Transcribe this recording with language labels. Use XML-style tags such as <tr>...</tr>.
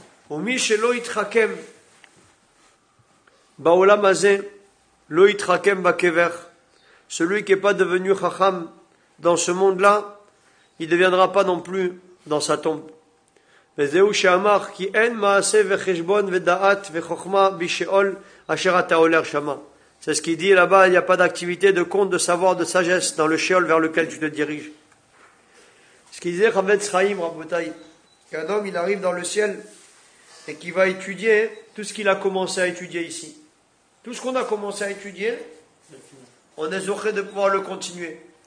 <he>ומי שלא יתחכם בעולם הזה לא יתחכם בקבר.</he> <fr>Celui qui n'est pas devenu chacham dans ce monde-là, il ne deviendra pas non plus dans sa tombe.</fr> <he>וזהו שאמר כי אין מעשה וחשבון ודעת וחוכמה בשאול אשר אתה עולה שמה.</he> <fr>C'est ce qu'il dit là-bas, il n'y a pas d'activité, de compte, de savoir, de sagesse dans le Sheol vers lequel tu te diriges. Ce qu'il disait Rav Tzrahim, Rabotai, qu'un homme, il arrive dans le ciel et qui va étudier tout ce qu'il a commencé à étudier ici. Tout ce qu'on a commencé à étudier, on est zoché de pouvoir le continuer.</fr>